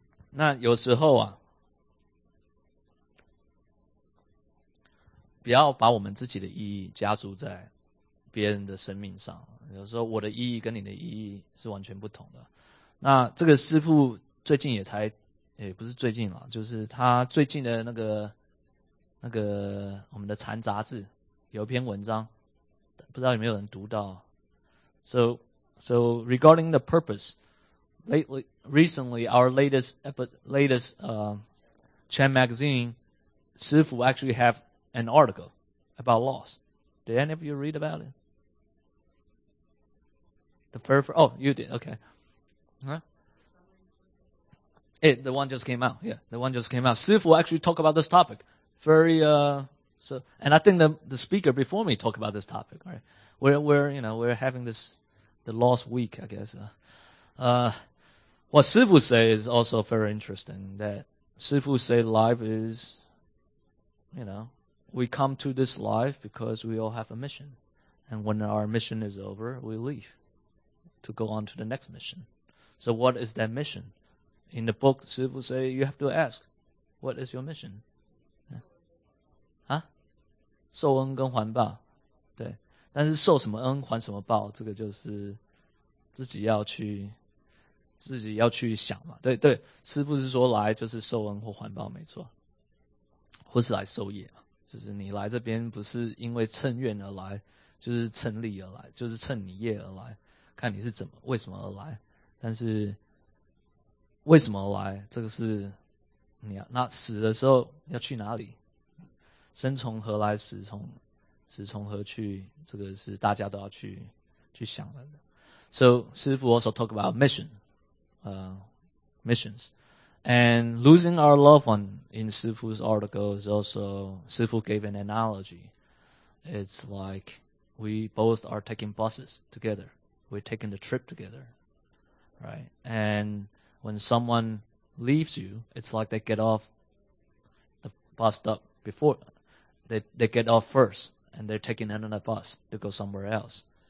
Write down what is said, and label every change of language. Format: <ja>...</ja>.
<zh>那有时候啊，不要把我们自己的意义加注在别人的生命上，有时候我的意义跟你的意义是完全不同的。那这个师父最近不是最近啦，就是他最近的那个我们的禅杂志有一篇文章，不知道有没有人读到。</zh> <en>So regarding the purpose, recently our latest Chan magazine, 师父 actually have an article about loss. Did any of you read about it? You did, okay. The one just came out. Yeah, the one just came out. 师父 actually talk about this topic. And I think the speaker before me talked about this topic, right? We're having this, the lost week, I guess. What 师父 say is also very interesting, that 师父 say life is, you know, we come to this life because we all have a mission. And when our mission is over, we leave to go on to the next mission. So what is that mission? In the book, 师父 say, you have to ask, what is your mission?</en> <zh>受恩跟还报，对。但是受什么恩还什么报，这个就是自己要去想嘛。对对，师父是说来就是受恩或还报，没错。或是来受业，就是你来这边不是因为乘愿而来，就是乘利而来，就是乘你业而来，看你是怎么为什么而来。但是为什么而来，这个是你要，那死的时候要去哪里，生从何来，死从何去，这个是大家都要去想的。</zh> <en>So, 师父 also talk about missions. And losing our loved one in 师父's article is also, 师父 gave an analogy. It's like, we both are taking buses together. We're taking the trip together. Right? And when someone leaves you, it's like they get off the bus stop before, they get off first, and they're taking another bus to go somewhere else.</en>